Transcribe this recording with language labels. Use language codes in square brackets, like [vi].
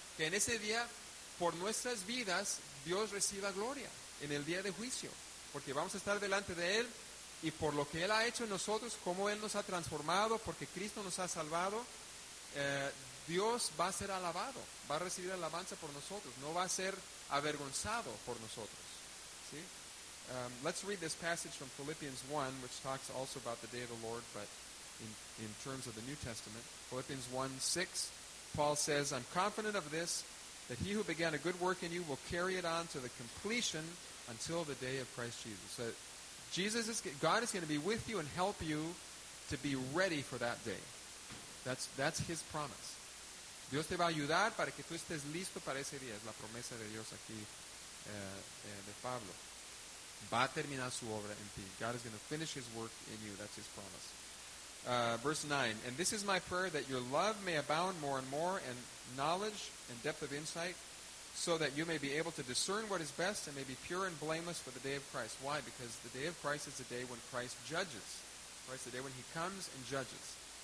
[es] Que en ese día, por nuestras vidas, Dios reciba gloria en el día de juicio, porque vamos a estar delante de Él, y por lo que Él ha hecho en nosotros, cómo Él nos ha transformado, porque Cristo nos ha salvado, Dios va a ser alabado, va a recibir alabanza por nosotros, no va a ser avergonzado por nosotros. ¿Sí? [en] Let's read this passage from Philippians 1, which talks also about the day of the Lord, but in terms of the New Testament. Philippians 1, 6, Paul says, I'm confident of this, that he who began a good work in you will carry it on to the completion until the day of Christ Jesus. So Jesus is, God is going to be with you and help you to be ready for that day. That's his promise. [es] Dios te va a ayudar para que tú estés listo para ese día. Es la promesa de Dios aquí de Pablo. Va a terminar su obra en ti. [en] God is going to finish his work in you. That's his promise. Verse 9. And this is my prayer, that your love may abound more and more in knowledge and depth of insight, so that you may be able to discern what is best and may be pure and blameless for the day of Christ. Why? Because the day of Christ is the day when Christ judges. Christ is the day when he comes and judges.